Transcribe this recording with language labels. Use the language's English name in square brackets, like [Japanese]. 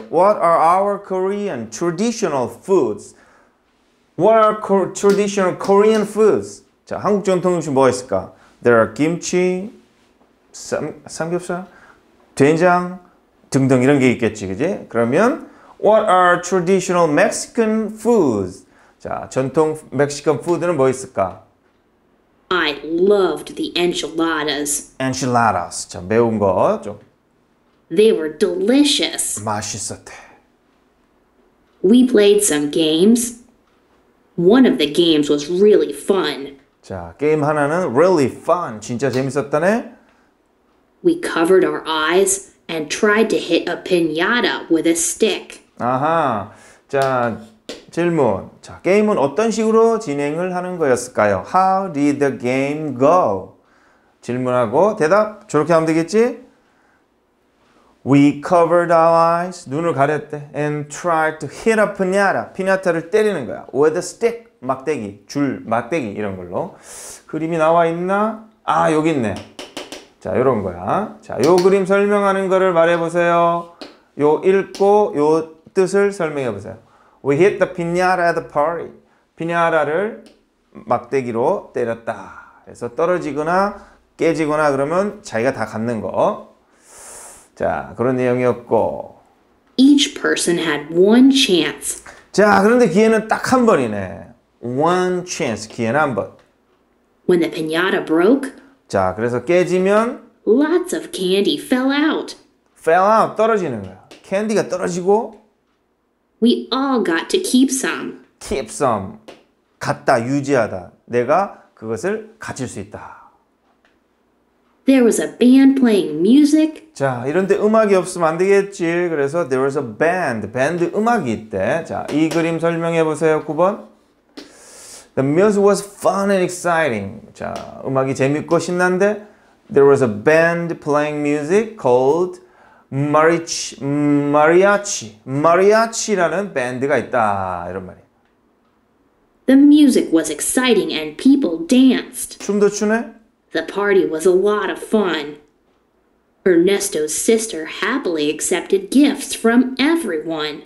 [English] What are our Korean traditional foods? What are traditional Korean foods? [Korean] 자, 한국 전통 음식 뭐 있을까? [English] There are [Korean] 김치, 삼겹살, 된장 등등 이런 게 있겠지, 그지? [English] 그러면 What are traditional Mexican foods? [Korean] 자, 전통 멕시칸 푸드는 뭐 있을까? [English] I loved the enchiladas. [Korean] Enchiladas, 자, 매운 거 좀. [English] They were delicious. [Korean] 맛있었대. [English] We played some games. One of the games was really fun. [Korean] 자, 게임 하나는 [English] really fun, [Korean] 진짜 재밌었다네. [English] We covered our eyes and tried to hit a piñata with a stick. [Korean] 아하, 자, 질문. 자, 게임은 어떤 식으로 진행을 하는 거였을까요? [English] How did the game go? [Korean] 질문하고 대답, 저렇게 하면 되겠지? [English] We covered our eyes, [Korean] 눈을 가렸대, [English] and tried to hit a piñata, [Korean] 피냐타를 때리는 거야. [English] With a stick, [Korean] 막대기, 줄, 막대기 이런 걸로. 그림이 나와 있나? 아, 여기 있네. 자, 이런 거야. 자, 요 그림 설명하는 거를 말해보세요. 요 읽고 요 뜻을 설명해보세요. [English] We hit the piñata at the party. [Korean] 피냐타를 막대기로 때렸다. 그래서 떨어지거나 깨지거나 그러면 자기가 다 갖는 거. 자, 그런 내용이었고. [English] Each person had one chance. [Korean] 자, 그런데 기회는 딱 한 번이네. [English] One chance, [Korean] 기회는 한 번. [English] When the piñata broke, [Korean] 자, 그래서 깨지면 [English] lots of candy fell out. fell out [Korean] 떨어지는 거야. 캔디가 떨어지고 [English] we all got to keep some. keep some [Korean] 갖다 유지하다. 내가 그것을 가질 수 있다. [English] There was a band playing music. [Korean] 자, 이런데 음악이 없으면 안 되겠지. [English] 그래서 there was a band. [Korean] 밴드 음악이 있대. 자, 이 그림 설명해 보세요. 9번. [English] The music was fun and exciting. [Korean] 자, 음악이 재밌고 신난데 [English] there was a band playing music called mariachi. [Korean] mariachi라는 밴드가 있다. 이런 말이야. [English] The music was exciting and people danced. [Korean] 춤도 추네? [English] The party was a lot of fun. Ernesto's sister happily accepted gifts from everyone.